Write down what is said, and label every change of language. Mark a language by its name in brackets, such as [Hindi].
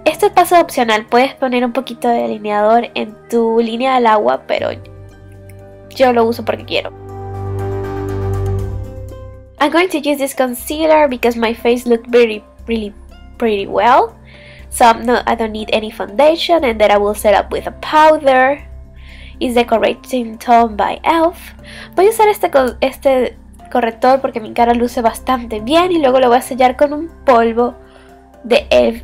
[Spanish] Este paso es opcional, puedes poner un poquito de delineador en tu línea del agua, pero yo lo uso porque quiero. [English] I'm going to use this concealer because my face looked really, really pretty well. So I don't need any foundation, and then I will set up with a powder. Is the correcting tone by e.l.f. [Spanish] Voy a usar este corrector porque mi cara luce bastante bien y luego lo voy a sellar con un polvo de e.l.f.